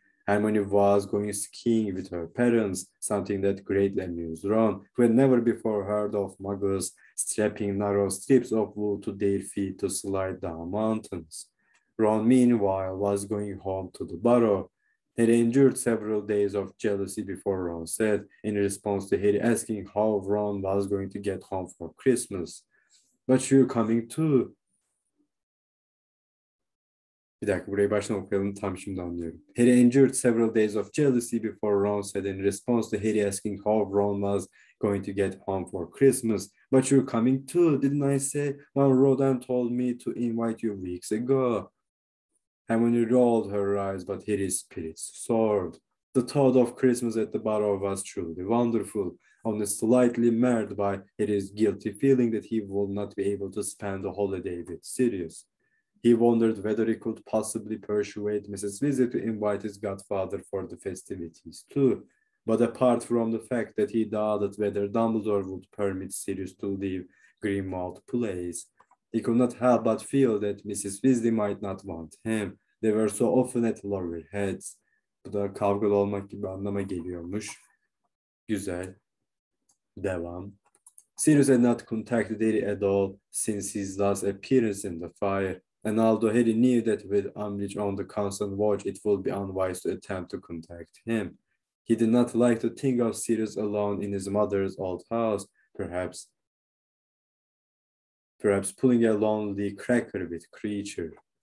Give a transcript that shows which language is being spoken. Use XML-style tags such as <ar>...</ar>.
<en>Hermione was going skiing with her parents, something that greatly amused Ron, who had never before heard of muggles strapping narrow strips of wool to their feet to slide down mountains. Ron, meanwhile, was going home to the Burrow. Harry endured several days of jealousy before Ron said, in response to Harry asking how Ron was going to get home for Christmas. But you're coming too.</en> <tr>Bir dakika, burayı baştan okuyalım, tam şimdi anlıyorum.</tr> <en>Harry endured several days of jealousy before Ron said, in response to Harry asking how Ron was going to get home for Christmas. But you're coming too, didn't I say? When Rodan told me to invite you weeks ago. Hermione rolled her eyes, but Harry's spirits soared. The thought of Christmas at the Barrow was truly wonderful, only slightly marred by Harry's guilty feeling that he would not be able to spend the holiday with Sirius. He wondered whether he could possibly persuade Mrs. Weasley to invite his godfather for the festivities too. But apart from the fact that he doubted whether Dumbledore would permit Sirius to leave Grimmauld Place, he could not help but feel that Mrs. Weasley might not want him. They were so often at loggerheads.</en> <tr>Bu da kavgalı olmak gibi anlama geliyormuş. Güzel. Devam.</tr> <en>Sirius had not contacted Harry at all since his last appearance in the fire. And although Harry knew that with Umbridge on the constant watch, it would be unwise to attempt to contact him. He did not like to think of Sirius alone in his mother's old house, perhaps pulling a lonely cracker with Creature.</en>